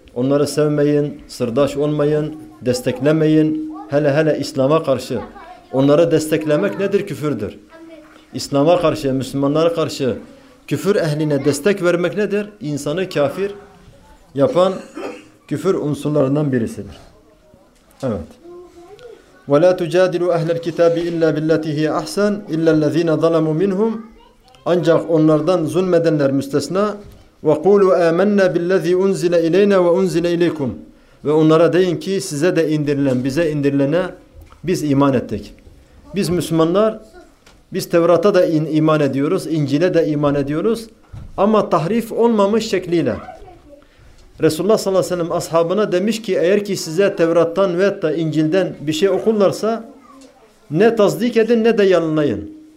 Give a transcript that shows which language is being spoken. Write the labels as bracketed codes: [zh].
[tr] Onları sevmeyin, sırdaş olmayın, desteklemeyin. Hele hele İslam'a karşı. Onları desteklemek nedir? Küfürdür. İslam'a karşı, Müslümanlara karşı küfür ehline destek vermek nedir? İnsanı kafir yapan küfür unsurlarından birisidir. Evet. [ar] وَلَا تُجَادِلُوا اَهْلَ الْكِتَابِ اِلَّا بِالَّتِي هِيَ اَحْسَنْ اِلَّا الَّذ۪ينَ ظَلَمُوا مِنْهُمْ [tr] Ancak onlardan zulmedenler müstesna. [ar] وَقُولُوا اَمَنَّا بِالَّذ۪ي اُنْزِلَ اِلَيْنَا وَاُنْزِلَ اِلَيْكُمْ [tr] Ve onlara deyin ki size de indirilen, bize indirilene biz iman ettik. Biz Müslümanlar, biz Tevrat'a da iman ediyoruz, İncil'e de iman ediyoruz. Ama tahrif olmamış şekliyle. Resulullah sallallahu aleyhi ve sellem ashabına demiş ki eğer ki size Tevrat'tan veyahut da İncil'den bir şey okurlarsa ne tasdik edin ne de yalanlayın.